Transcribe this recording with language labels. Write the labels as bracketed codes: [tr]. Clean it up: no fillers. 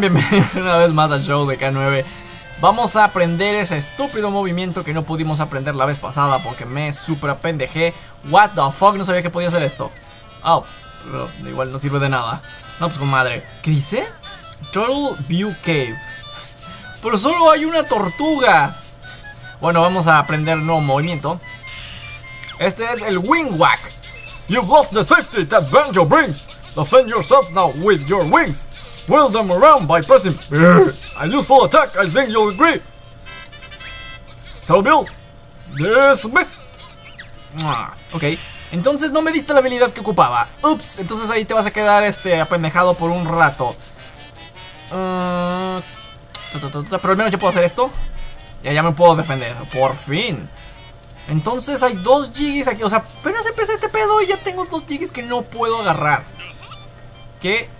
[es] Bienvenidos una vez más al show de K9. Vamos a aprender ese estúpido movimiento que no pudimos aprender la vez pasada porque me super apendejé. [en] What the fuck, [es] no sabía que podía hacer esto. Oh, pero igual no sirve de nada. No, pues con madre. ¿Qué dice? Turtle View Cave. ¡Pero solo hay una tortuga! Bueno, vamos a aprender un nuevo movimiento. Este es el Wing Whack. [en] You've lost the safety that Banjo brings. Defend yourself now with your wings. Whirl them around by pressing a useful attack, I think you'll agree. Tell Bill, dismiss. [es] Ok, entonces no me diste la habilidad que ocupaba. Ups, entonces ahí te vas a quedar apendejado por un rato. Pero al menos yo puedo hacer esto. Ya me puedo defender, por fin. Entonces hay dos jiggies aquí. O sea, apenas empecé este pedo y ya tengo dos jiggies que no puedo agarrar. ¿Qué?